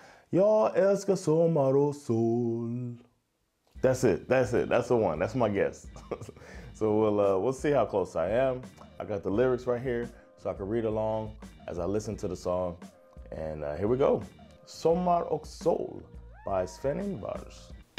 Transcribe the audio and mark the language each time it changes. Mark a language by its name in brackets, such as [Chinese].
[Swedish] Jag älskar sommar och sol. [English] That's it, that's it, that's the one, that's my guess. So we'll see how close I am. I got the lyrics right here so I can read along as I listen to the song. And here we go. Sommar och sol by Sven Ingvars.